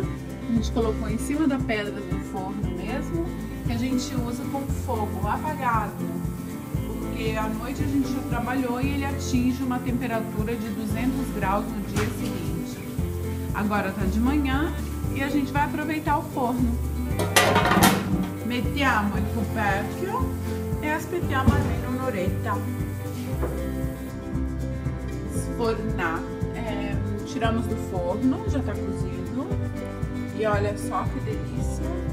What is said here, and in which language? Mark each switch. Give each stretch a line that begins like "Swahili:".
Portuguese: A gente colocou em cima da pedra do forno mesmo, que a gente usa com fogo apagado, porque à noite a gente já trabalhou e ele atinge uma temperatura de 200 graus no dia seguinte. Agora tá de manhã e a gente vai aproveitar o forno.
Italian: Mettiamo il coperchio e aspettiamo almeno un'oretta. Sfornar.
Portuguese: Tiramos do forno, já tá cozido. E olha só que delícia.